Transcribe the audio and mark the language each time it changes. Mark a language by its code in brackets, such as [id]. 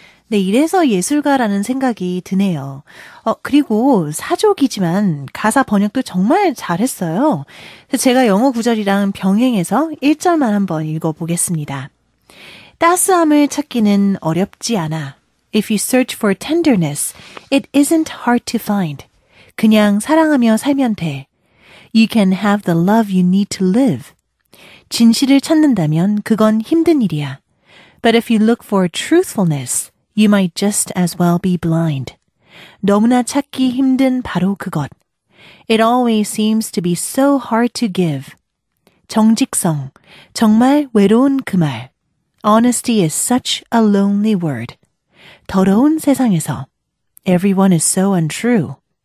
[ko] 네, 이래서 예술가라는 생각이 드네요. 그리고 사족이지만 가사 번역도 정말 잘했어요. 제가 영어 구절이랑 병행해서 1절만 한번 읽어보겠습니다. 따스함을 찾기는 어렵지 않아. [en] If you search for tenderness, it isn't hard to find. [ko] 그냥 사랑하며 살면 돼. [en] You can have the love you need to live. [ko] 진실을 찾는다면 그건 힘든 일이야. [en] But if you look for truthfulness, you might just as well be blind. [ko] 너무나 찾기 힘든 바로 그것. [en] It always seems to be so hard to give. [ko] 정직성, 정말 외로운 그 말. [en] Honesty is such a lonely word. [ko] 더러운 세상에서 [en] Everyone is so untrue.